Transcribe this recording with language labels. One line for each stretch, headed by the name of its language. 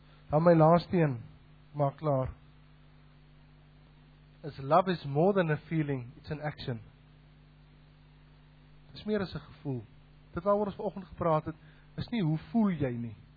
Afrikaans: Dan my laaste een, maar klaar.
English: Is love is more than a feeling, it's an action.
Afrikaans: Dis meer as 'n gevoel. Dit waaroor ons vanoggend gepraat het, is nie hoe voel jy nie.